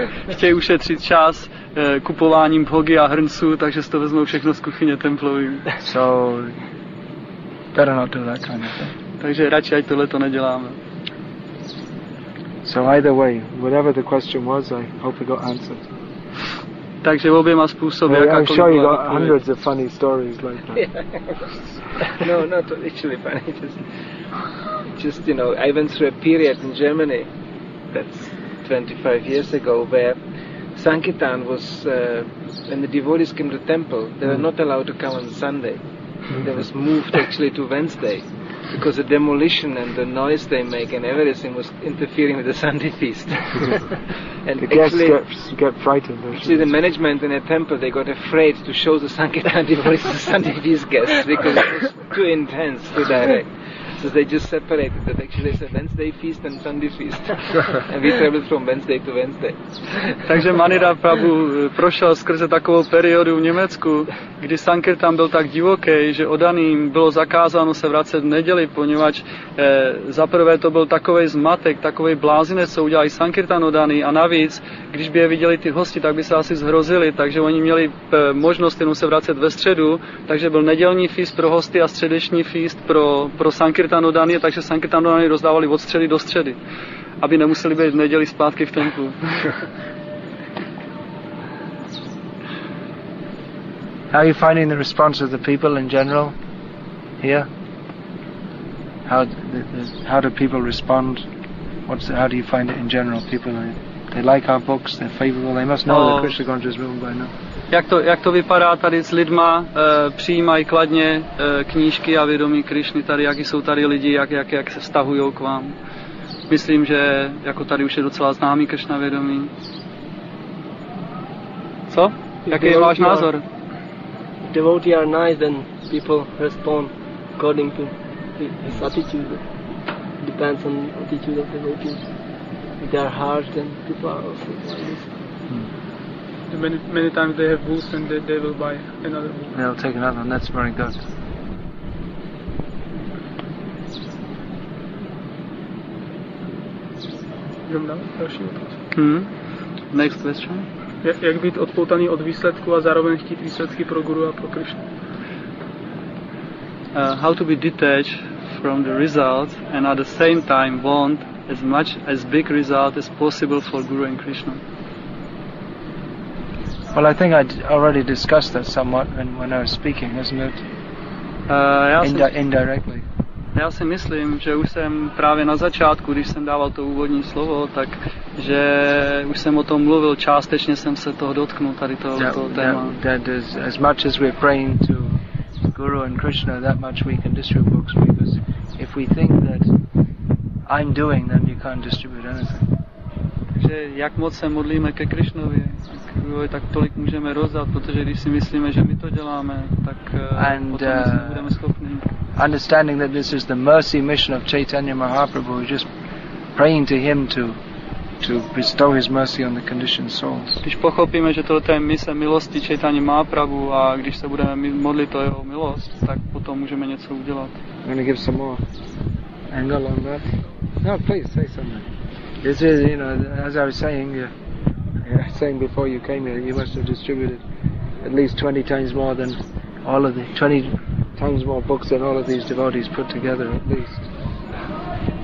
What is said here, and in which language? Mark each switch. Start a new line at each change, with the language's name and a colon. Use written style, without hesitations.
Czech: Chtějí ušetřit čas kupováním bhogy a hrnců, takže si to vezmou všechno z kuchyně templovým.
English: So, better not do that kind of thing.
Czech: Takže radši ať tohle to neděláme.
English: So either way, whatever the question was, I hope it got answered.
Czech: Takže v oběma způsoby, jakákoliv
English: I'm sure you got hundreds of funny stories like that. No, not actually funny, just, you know, I went through a period in Germany, that's 25 years ago, where Sankirtan was, when the devotees came to the temple, they were not allowed to come on Sunday. They was moved actually to Wednesday, because the demolition and the noise they make and everything was interfering with the Sunday feast. And the actually, guests get frightened. See, the management in a temple, they got afraid to show the Sankirtan devotees the Sunday feast guests, because it was too intense, too direct. So they just separated that actually it's a Wednesday feast and Sunday feast. And we traveled from Wednesday to Wednesday.
Czech: Takže Manira Prabhu prošel skrze takovou periodu v Německu, kdy Sankirtan byl tak divoký, že oddaným bylo zakázáno se vracet v neděli, poněvadž zaprvé to byl takovej zmatek, takovej blázinec, co udělali Sankirtan oddaný, a navíc, když by je viděli ty hosti, tak by se asi zhrozili, takže oni měli možnost jenom se vracet ve středu, takže byl nedělní feast pro hosty a středeční feast pro Sankirtan oddaný, takže Sankirtan oddaný rozdávali od středy do středy, aby nemuseli být v neděli zpátky v templu.
English: How are you finding the response of the people in general here? How do people respond? How do you find it in general? People, they like our books, they're favorable, they must know the Krishna consciousness movement by now.
Czech: Jak to vypadá tady s lidma? Přijímají kladně knížky a vědomí Krišny tady, jaký jsou tady lidi, jak se vztahují k vám? Myslím, že jako tady už je docela známý Krišna vědomí. Co? Jaký je váš názor?
English: Devotees are nice, then people respond according to his attitude. Depends on attitude of the devotees. If they are harsh, then people are also nice. Many times they have books and they will buy another book. They'll take another one, that's very good. Next question.
Czech: Jak být odpoutaný od výsledku a zároveň chtít výsledky pro guru a pro Krishna?
English: How to be detached from the result and at the same time want as much as big result as possible for guru and Krishna? Well, I think I already discussed that somewhat when I was speaking, isn't it? Indirectly.
Czech: Já si myslím, že už jsem právě na začátku, když jsem dával to úvodní slovo, tak že už jsem o tom mluvil, částečně jsem se toho dotknul, tady toho téma.
English: As much as we're praying to Guru and Krishna, that much we can distribute books, because if we think that I'm doing, then you can't distribute anything.
Czech: Takže jak moc se modlíme ke Krišnovi, tak tolik můžeme rozdat, protože když si myslíme, že my to děláme, tak potom nic nebudeme schopni.
English: understanding that this is the mercy mission of Chaitanya Mahaprabhu, we're just praying to him to bestow his mercy on the conditioned souls.
Czech: Když pochopíme, že toto je mise milosti Chaitanya Mahaprabhu a když se budeme modlit o jeho milost, tak potom můžeme něco udělat.
English: I'm going to give some more angle on that. No, please say something. This is, you know, as I was saying, saying before you came here, you must have distributed at least 20 times more than all of the 20 times more books than all of these devotees put together at least.